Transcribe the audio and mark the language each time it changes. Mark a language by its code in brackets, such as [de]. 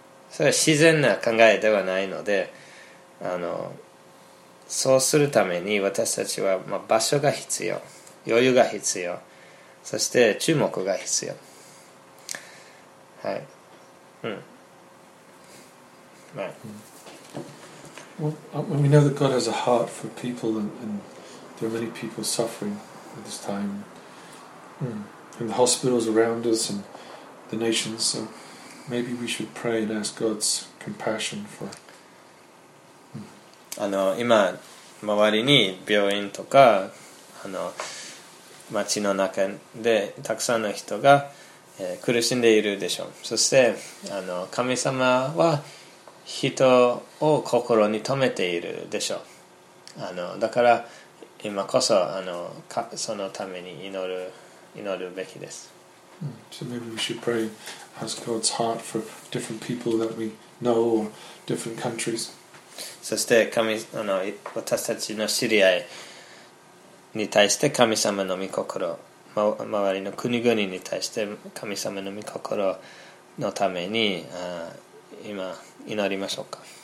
[ja] それは自然な考えではないので、そうするために私たちは、場所が必要、余裕が必要、そして注目が必要。はい。 [en] Well, we know that God has a heart for people, and there are many people suffering at this time. In the hospitals around us and the nations, so maybe we should pray and ask God's compassion for. [ja] あの今周りに病院とか町の中でたくさんの人が苦しんでいるでしょう。そして神様は人を心に留めているでしょう。だから今こそそのために祈るべきです。 [en] So maybe we should pray, ask God's heart for different people that we know or different countries. [ja] そして私たちの知り合いに対して神様の御心、周りの国々に対して神様の御心のために今祈りましょうか。